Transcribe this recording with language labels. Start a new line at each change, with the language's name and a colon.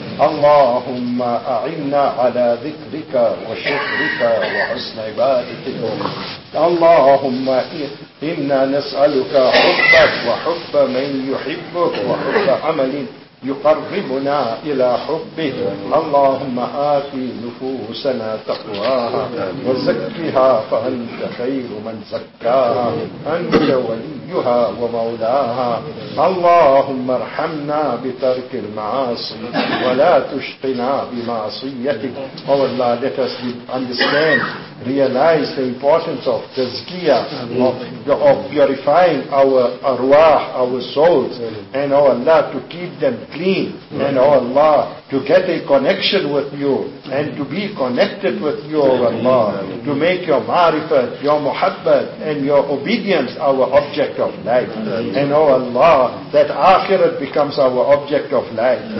Arabic: Allahumma a'inna ala dhikrika wa shukrika wa husna ibadatika. Allahumma inna nas'aluka hubbak wa hubba man yuhibbuk wa hubba amalin يقربنا إلى حبه. اللهم آتي نفوسنا تقواها وزكها فأنت خير من زكاها أنت وليها ومولاها. اللهم ارحمنا بترك المعاصي ولا تشقنا بمعصيتك.
English: Oh Allah, let us understand, realize the importance of tazkiyah, of purifying our arwah, our souls, and oh Allah, to keep them clean, and oh Allah, to get a connection with you, and to be connected with you, oh Allah, to make your ma'rifat, your muhabbat, and your obedience our object of life, and oh Allah, that akhirat becomes our object of life,